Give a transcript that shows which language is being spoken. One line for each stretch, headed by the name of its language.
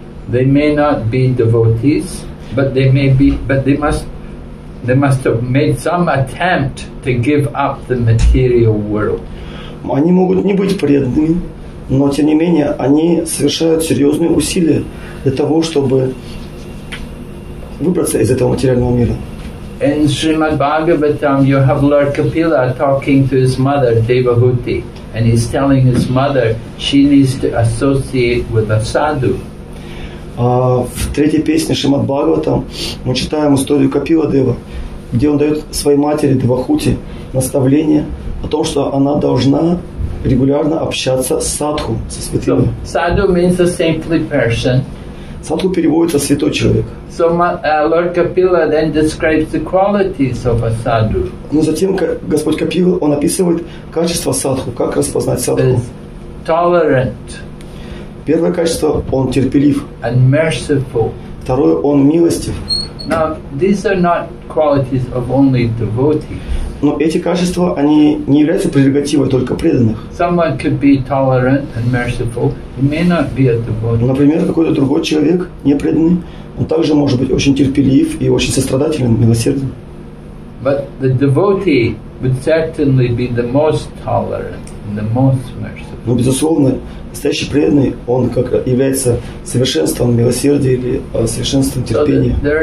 English: They may not be devotees, but they must have made some attempt to give up the material world.
Russian: Они могут не быть преданными, но тем не менее они совершают серьезные усилия для того, чтобы выбраться из этого материального мира.
English: In Srimad Bhagavatam, you have Lord Kapila talking to his mother Devahuti, and he's telling his mother she needs to associate with a sadhu.
Russian: В третьей песне Шримад Бхагаватам мы читаем историю Капила Дева, где он дает своей матери Девахути наставление о том, что она должна регулярно общаться с садху, со святыми.
English: Sadhu means a saintly person.
Russian: Садху переводится святой человек.
English: So Lord Kapila then describes the qualities of a sadhu.
Russian: Но затем Господь Капила он описывает качество садху, как распознать садху.
English: Is tolerant.
Russian: Первое качество – он терпелив.
English: And merciful.
Russian: Второе – он милостив.
English: Now, these are not qualities of only devotees.
Russian: Но эти качества, они не являются прерогативой только преданных.
English: Someone could be tolerant and merciful, he may not be a devotee.
Russian: Например, какой-то другой человек, непреданный, он также может быть очень терпелив и очень сострадательным, милосердным.
English: But the devotee would certainly be the most tolerant.
Russian: Но, безусловно, настоящий преданный, он как является совершенством милосердия или совершенством терпения.